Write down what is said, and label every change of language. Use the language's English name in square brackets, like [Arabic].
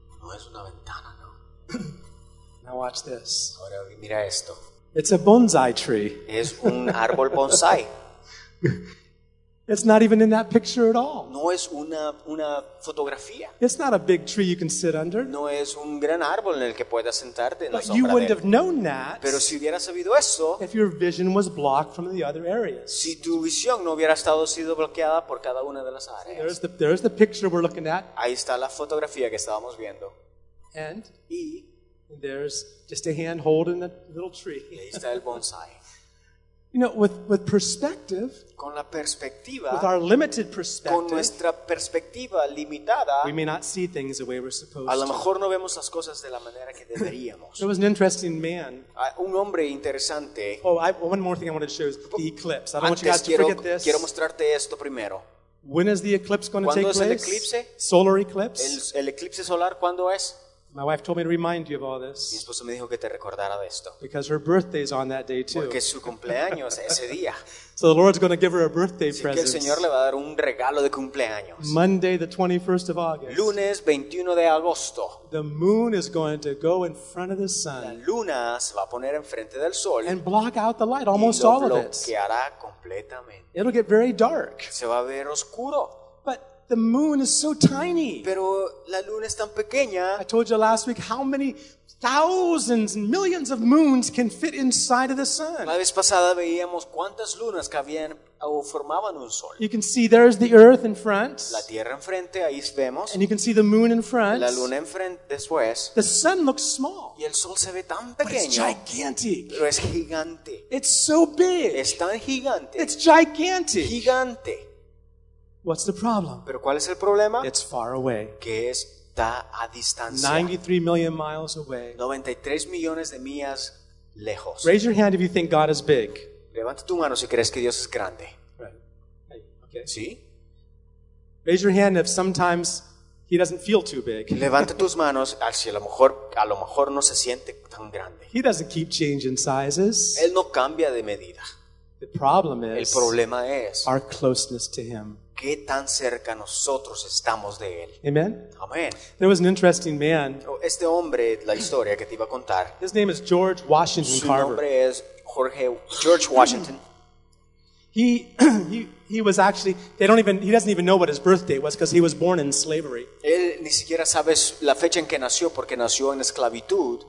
[Spanish] No es una ventana, no. [English] Now watch this. [Spanish] Ahora mira esto. [English] It's a bonsai tree. [Spanish] Es un árbol bonsai. [English] It's not even in that picture at all. [Spanish] No es una fotografía. [English] It's not a big tree you can sit under. [Spanish] No es un gran árbol en el que puedas sentarte. [English] But you wouldn't have known that. [Spanish] Pero si hubieras sabido eso. [English] If your vision was blocked from the other areas. [Spanish] Si tu visión no hubiera sido bloqueada por cada una de las áreas. [English] There's the picture we're looking at. [Spanish] Ahí está la fotografía que estábamos viendo. [English] And. [Spanish] Y. [English] There's just a hand holding a little tree. [Spanish] Ahí está el bonsai. [English] You know, with perspective, [Spanish] con la perspectiva, [English] with our limited perspective, [Spanish] con nuestra perspectiva limitada, [English] we may not see things the way we're supposed to. [Spanish] A lo mejor no vemos las cosas de la manera que deberíamos. [English] There was an interesting man. [Spanish] Un hombre interesante. [English] Oh, one more thing I wanted to show is the eclipse. I don't [Spanish] antes [English] want you guys [Spanish] quiero, [English] to forget this. [Spanish] Quiero mostrarte esto primero. [English] When is the eclipse going to take place? [Spanish] ¿Cuándo es el eclipse? [English] Solar eclipse. [Spanish] El eclipse solar, ¿cuándo es? [English] My wife told me to remind you of all this. [Spanish] Mi esposa me dijo que te recordara de esto. [English] Because her birthday is on that day too. [Spanish] Porque su cumpleaños ese día. [English] So the Lord's going to give her a birthday present. [Spanish] Que el Señor le va a dar un regalo de cumpleaños. [English] Monday the 21st of August. [Spanish] Lunes 21 de agosto. [English] The moon is going to go in front of the sun. [Spanish] La luna se va a poner enfrente del sol. [English] And block out the light, almost all of it. [Spanish] Y lo bloqueará completamente. [English] It'll get very dark. [Spanish] Se va a ver oscuro. [English] But the moon is so tiny. [Spanish] Pero la luna es tan pequeña. [English] I told you last week how many thousands and millions of moons can fit inside of the sun. [Spanish] La vez pasada veíamos cuántas lunas cabían o formaban un sol. [English] You can see there's the earth in front. [Spanish] La tierra enfrente, ahí vemos. [English] And you can see the moon in front. [Spanish] La luna enfrente, después. [English] The sun looks small. [Spanish] Y el sol se ve tan pequeño. [English] But it's gigantic. [Spanish] Pero es gigante. [English] It's so big. [Spanish] Es tan gigante. [English] It's gigantic. [Spanish] Gigante. [English] What's the problem? [Spanish] ¿Pero cuál es el problema? [English] It's far away. [Spanish] Que está a distancia. [English] 93 million miles away. [Spanish] 93 millones de millas lejos. [English] Raise your hand if you think God is big. [Spanish] Levanta tu mano si crees que Dios es grande. [English] Right. Hey, okay. [Spanish] ¿Sí? [English] Raise your hand if sometimes he doesn't feel too big. [Spanish] Levanta tus manos si a lo mejor no se siente tan grande. [English] He doesn't keep changing sizes. [Spanish] Él no cambia de medida. [English] The problem is [Spanish] el problema es [English] our closeness to him. [Spanish] Qué tan cerca nosotros estamos de él. [English] Amen. [Spanish] Amen. [English] There was an interesting man. [Spanish] Este hombre, la historia que te iba a contar. [English] His name is George Washington [Spanish] su [English] Carver. [Spanish] Su nombre es George Washington. [English] He was actually he doesn't even know what his birthday was because he was born in slavery. [Spanish] Él ni siquiera sabe la fecha en que nació porque nació en esclavitud.